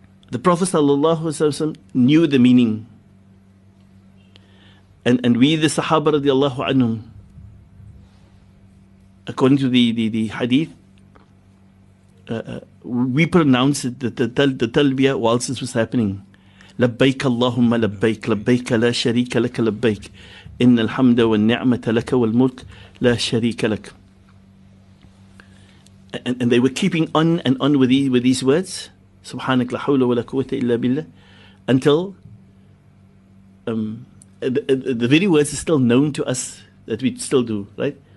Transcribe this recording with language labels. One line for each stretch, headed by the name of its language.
English: The Prophet sallallahu alayhi wa sallam knew the meaning. And we, the Sahaba radiallahu anhum, according to the hadith, we pronounced the talbiya whilst this was happening.
Arabic: لبيك اللهم لبيك لبيك لا شريك لك لبيك إن الحمد والنعمة لك والملك لا شريك لك.
English: And they were keeping on with these words,
Arabic: سبحانك لا حول ولا قوة إلا بالله,
English: until the very words are still known to us that we still do, right?